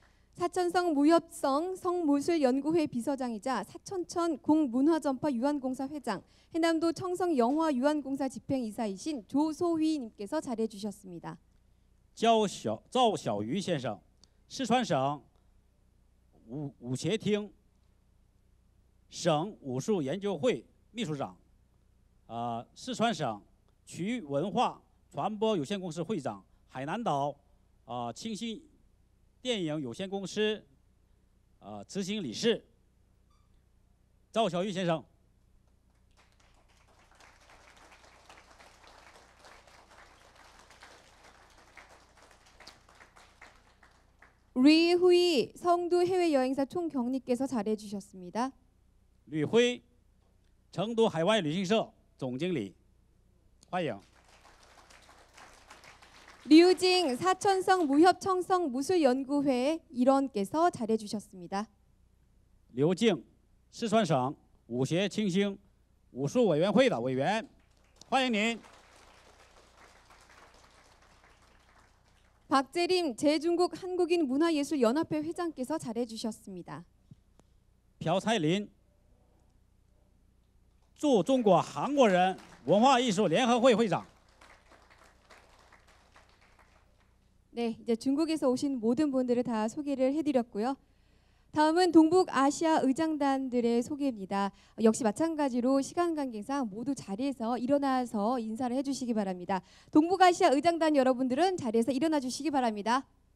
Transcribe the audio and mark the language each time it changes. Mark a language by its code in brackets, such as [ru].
[ko] 사천성 무협성 성무술 연구회 비서장이자 사천천 공문화전파 유한공사 회장, 해남도 청성 영화 유한공사 집행이사이신 조소휘님께서 자리해 주셨습니다. [zh] 赵小鱼先生, 四川省 武协厅 省武术研究会 秘书长, 四川省 渠文化传播有限公司会长, 海南岛 清新 电影有限公司执行理事赵小玉先生。리휘 [ko] 성도 해외여행사 총경리께서 자리해 주셨습니다. 리휘 성도 해외여행사 총경리 환영. 류징 사천성 무협청성 무술연구회 일원께서 자리해 주셨습니다. 류징 시천성 무협청성 무술연구회의 위원 환영님. 박재림 제중국 한국인 문화예술연합회 회장께서 자리해 주셨습니다. [zh] 朴彩林 驻中国韩国人文化艺术联合会会长. [ko] 네, 이제 중국에서 오신 모든 분들을 다 소개를 해드렸고요. 다음은 동북아시아 의장단들의 소개입니다. 역시 마찬가지로 시간 관계상 모두 자리에서 일어나서 인사를 해주시기 바랍니다. 동북아시아 의장단 여러분들은 자리에서 일어나주시기 바랍니다.